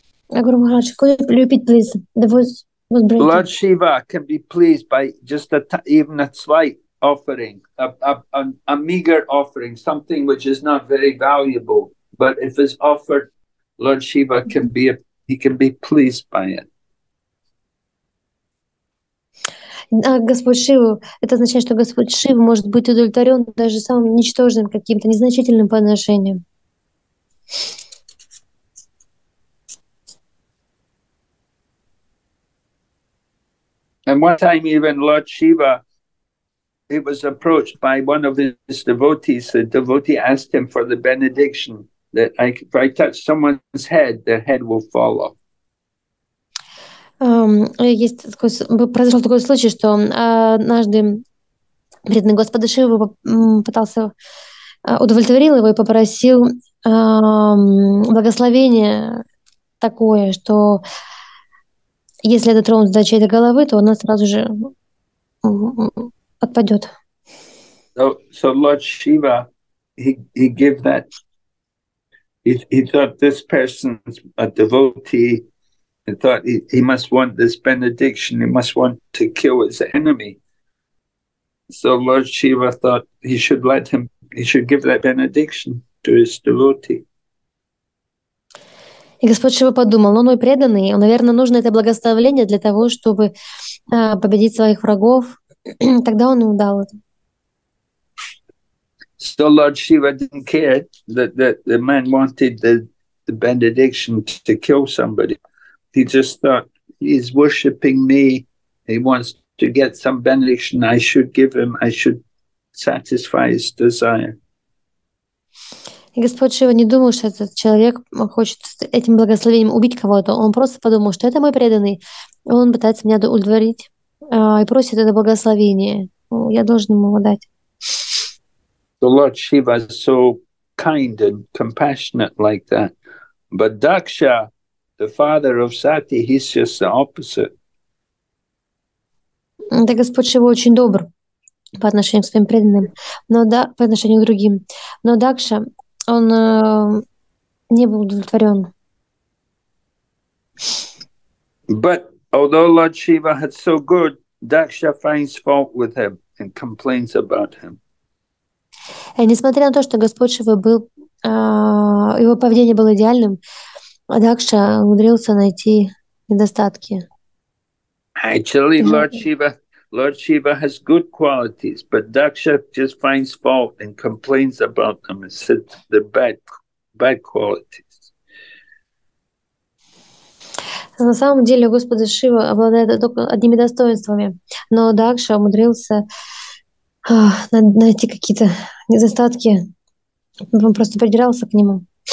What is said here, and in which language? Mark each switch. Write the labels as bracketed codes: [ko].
[en] Lord Shiva can be pleased by just even a slight offering, a meager offering, something which is not very valuable. But if it's offered, Lord Shiva can be he can be pleased by it. [ru] Господь Шива, это означает, что Господь Шива может быть удовлетворен даже самым ничтожным каким-то незначительным подношением. [en] And one time even Lord Shiva, he was approached by one of his devotees. The devotee asked him for the benediction that if I touch someone's head, their head will fall off. [ru] Произошел такой случай, что однажды преданный Господа Шива пытался удовлетворил его и попросил благословения такое, что если дотронуться до чьей-то головы, то она сразу же отпадет. [en] So Lord Shiva, he gave that. He thought this person's a devotee. He thought he must want this benediction. He must want to kill his enemy. So Lord Shiva thought he should let him. He should give that benediction to his devotee. [ru] И Господь Шива подумал, но он мой преданный, наверное, нужно это благословение для того, чтобы победить своих врагов. Тогда он ему дал это. [en] So Lord Shiva didn't care that the man wanted the benediction to kill somebody. He just thought, he's worshipping me, he wants to get some benediction, I should give him, I should satisfy his desire. [ru] И Господь Шива не думал, что этот человек хочет этим благословением убить кого-то. Он просто подумал, что это мой преданный, и он пытается меня удовлетворить и просит это благословение. Я должен ему его дать. [en] The Lord Shiva is so kind and compassionate like that. But Daksha, the father of Sati, he's just the opposite. [ru] Да, Господь Шива очень добр по отношению к своим преданным, но да, по отношению к другим. Но Дакша, он не был удовлетворен. [en] But although Lord Shiva had so good, Daksha finds fault with him and complains about him. [ru] И несмотря на то, что Господь Шива был, его поведение было идеальным, Дакша умудрился найти недостатки. [en] Actually, Lord Shiva has good qualities, but Daksha just finds fault and complains about them and says they're bad qualities. [ru] На самом деле, Господь Шива обладает только одними достоинствами, но Дакша умудрился найти какие-то недостатки. Он просто придирался к нему.